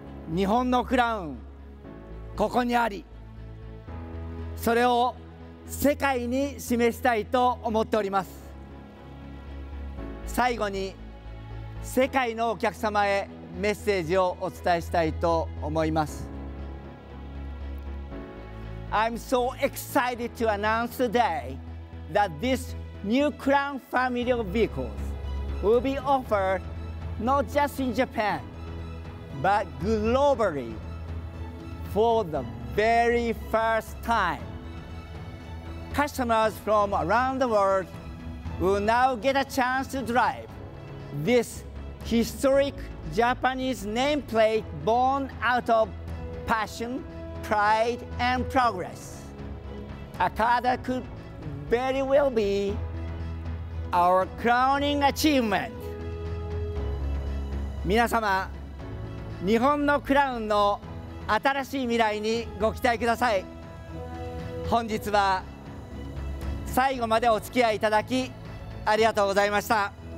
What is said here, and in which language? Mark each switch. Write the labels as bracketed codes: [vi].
[ja] 日本のクラウン、ここにあり、それを世界に示したいと思っております。最後に世界のお客様へメッセージをお伝えしたいと思います。 [en] I'm so excited to announce today that this New Crown Family of Vehicles will be offered not just in Japan, but globally for the very first time. Customers from around the world will now get a chance to drive this historic Japanese nameplate born out of passion, pride, and progress. A car that could very well be our crowning achievement. [ja] 皆様、日本のクラウンの新しい未来にご期待ください。本日は最後までお付き合いいただきありがとうございました。